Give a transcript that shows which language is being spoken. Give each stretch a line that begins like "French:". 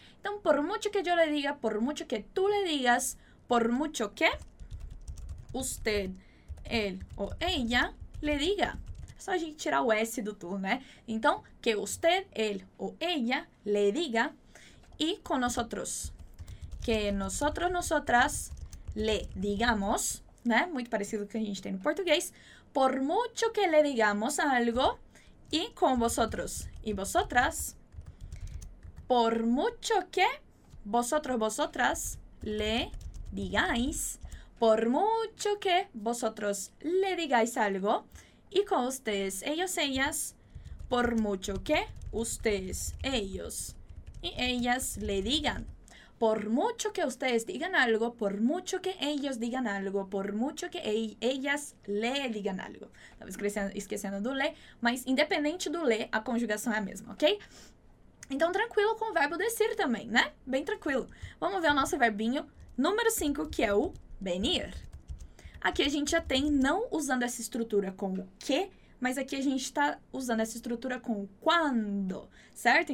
Spanish: Então, por mucho que yo le diga, por mucho que tu le digas, por mucho que usted, él o ella le diga.
Portuguese: É só a gente tirar o S do tu, né?
Spanish: Então, que usted, él o ella le diga. E com nosotros. Que nosotros, nosotras le digamos, né?
Portuguese: Muito parecido com o que a gente tem no português.
Spanish: Por mucho que le digamos algo. E com vosotros e vosotras. Por mucho que vosotros, vosotras le digáis, por mucho que vosotros le digáis algo, y con ustedes, ellos, ellas, por mucho que ustedes, ellos y ellas le digan. Por mucho que ustedes digan algo, por mucho que ellos digan algo, por mucho que ellas le digan algo.
Portuguese: Estamos esquecendo do le, mas independente do le, a conjugação é a mesma, ok? Então, tranquilo com o verbo descer também, né? Bem tranquilo. Vamos ver o nosso verbinho número 5, que é o venir. Aqui a gente já tem não usando essa estrutura com o que, mas aqui a gente está usando essa estrutura com o quando, certo?